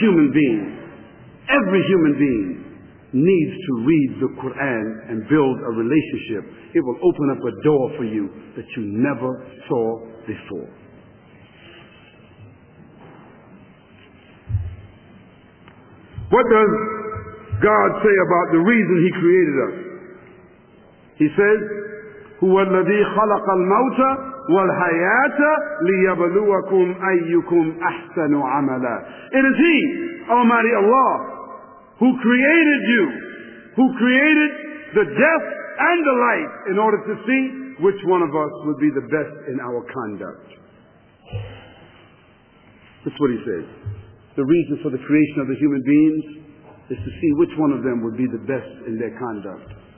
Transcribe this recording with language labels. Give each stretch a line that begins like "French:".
English: Every human being needs to read the Quran and build a relationship. It will open up a door for you that you never saw before. What does God say about the reason He created us?
Arabic: He says, هو الذي خلق الموت والحياة ليبلوكم أيكم أحسن عملا.
English: It is He, Almighty Allah, who created you, who created the death and the life in order to see which one of us would be the best in our conduct. That's what He says. The reason for the creation of the human beings is to see which one of them would be the best in their conduct.